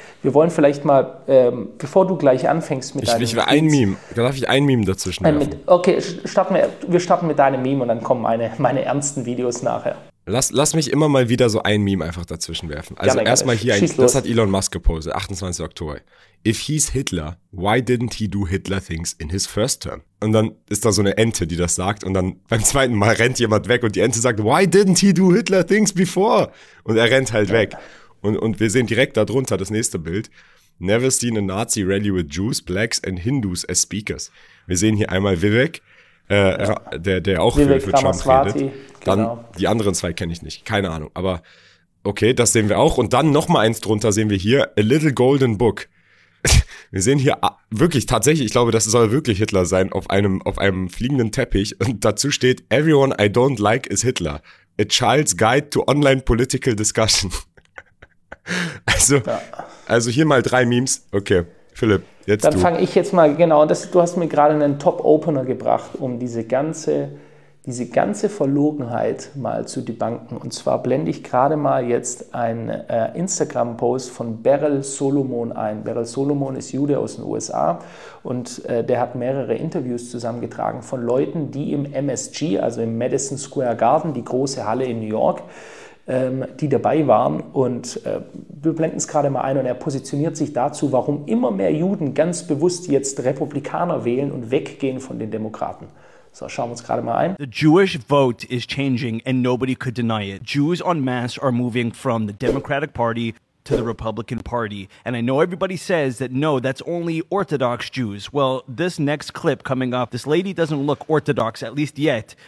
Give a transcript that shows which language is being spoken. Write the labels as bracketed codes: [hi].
[de] Wir wollen vielleicht mal, bevor du gleich anfängst mit deinem... Darf ich ein Meme dazwischen werfen? Okay, starten wir mit deinem Meme und dann kommen meine ernsten Videos nachher. Lass mich immer mal wieder so ein Meme einfach dazwischen werfen. Also ja, erstmal hier, das hat Elon Musk gepostet, 28. Oktober. [en] If he's Hitler, why didn't he do Hitler things in his first term? [de] Und dann ist da so eine Ente, die das sagt und dann beim zweiten Mal rennt jemand weg und die Ente sagt, [en] why didn't he do Hitler things before? [de] Und er rennt halt weg. Und wir sehen direkt darunter das nächste Bild. [en] Never seen a Nazi rally with Jews, Blacks and Hindus as speakers. [de] Wir sehen hier einmal Vivek. Der auch für Trump redet. Dann genau. Die anderen zwei kenne ich nicht. Keine Ahnung. Aber okay, das sehen wir auch. Und dann noch mal eins drunter sehen wir hier. [en] A little golden book. [de] Wir sehen hier wirklich tatsächlich, ich glaube, das soll wirklich Hitler sein, auf einem fliegenden Teppich. Und dazu steht, [en] everyone I don't like is Hitler. A child's guide to online political discussion. [de] Also hier mal drei Memes. Okay, Philipp. Jetzt dann fange ich jetzt mal, genau, du hast mir gerade einen Top-Opener gebracht, um diese ganze Verlogenheit mal zu debunken. Und zwar blende ich gerade mal jetzt einen Instagram-Post von Beryl Solomon ein. Beryl Solomon ist Jude aus den USA und der hat mehrere Interviews zusammengetragen von Leuten, die im MSG, also im Madison Square Garden, die große Halle in New York, die dabei waren und wir blenden es gerade mal ein und er positioniert sich dazu, warum immer mehr Juden ganz bewusst jetzt Republikaner wählen und weggehen von den Demokraten. So, schauen wir uns gerade mal ein. [en] The Jewish vote is changing and nobody could deny it. Jews en masse are moving from the Democratic Party to the Republican Party. And I know everybody says that no, that's only Orthodox Jews. Well, this next clip coming up, this lady doesn't look Orthodox, at least yet.